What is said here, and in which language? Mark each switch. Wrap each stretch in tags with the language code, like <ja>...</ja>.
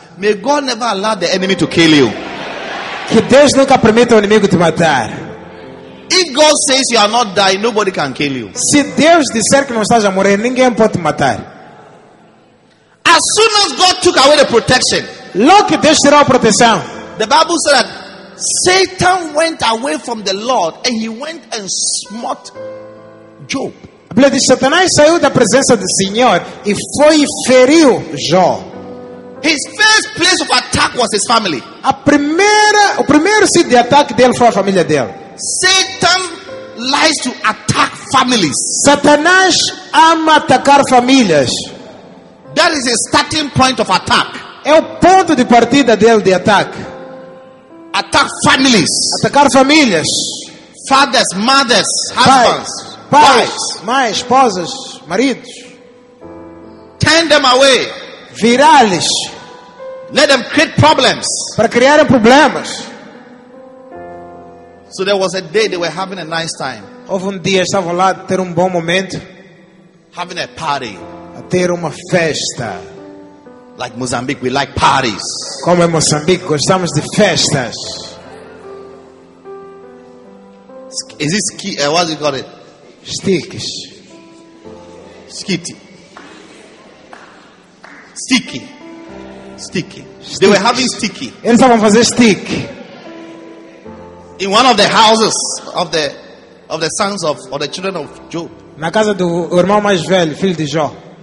<en>May God never allow the enemy to kill you.</en> <pt>Que Deus nunca permita o inimigo te matar.</pt> <en>If God says you are not dying, nobody can kill you.</en> <pt>Se Deus disser que não estás a morrer, ninguém pode te matar.</pt> <en>As soon as God took away the protection,</en> <pt>logo que Deus tirou a proteção,</pt> <en>the Bible said that Satan went away from the Lord and he went and smote Job.</en> <pt>A Bíblia diz, Satanás saiu da presença do Senhor e foi e feriu Jó.</pt> <en>His first place of attack was his family.</en> <pt>O primeiro sítio de ataque dele foi a família dele.</pt> <en>Satan likes to attack families.</en> <pt>Satanás ama atacar famílias.</pt> <en>That is his starting point of attack.</en> <pt>É o ponto de partida dele de ataque.</pt> <en>Attack families.</en> <pt>Atacar famílias.</pt> <en>Fathers, mothers, husbands,</en> <pt>pais, mães, esposas, maridos.</pt> <en>Turn them away.</en> <pt>Virá-los.</pt> <en>Let them create problems.</en> <pt>Para criar problemas.</pt> <en>So there was a day they were having a nice time.</en> <pt>Houve dia estavam lá a ter bom momento.</pt> <en>Having a party.</en> <pt>A ter uma festa.</pt> <en>Like Mozambique, we like parties.</en> <pt>Como em Moçambique, gostamos de festas.</pt> <en>Is it ski? What do you call it? Sticks. Skitty. Sticky. Sticky. Sticks. They were having sticky.</en> <pt>Eles estavam fazendo stick.</pt> <en>In one of the houses of the sons of or the children of Job.</en> <pt>Na casa do irmão mais velho, filho de Jó.</pt>